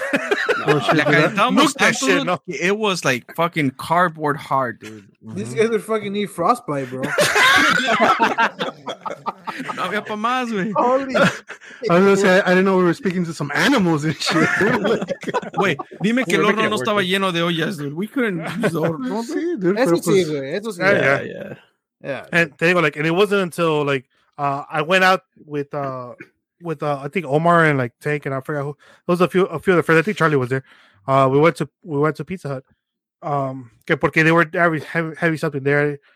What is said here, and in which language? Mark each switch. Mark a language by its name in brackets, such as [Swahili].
[English] Yeah. No. It was like fucking cardboard hard, dude. Mm-hmm. These guys would fucking need frostbite, bro. No, we have más, man. Holy. I was gonna say, I didn't know we were speaking to some animals and shit. Wait, [Spanish] dime que el horno no estaba lleno de ollas, dude. [English] We couldn't use the horno. [Spanish] Sí, dude. Eso sí, güey. Eso sí. [English] Yeah. Yeah, and they were like, and it wasn't until like I went out with I think Omar and like Tank and I forgot who. There was a few of the friends. I think Charlie was there. We went to Pizza Hut. [Spanish] Porque [English] they were having something there.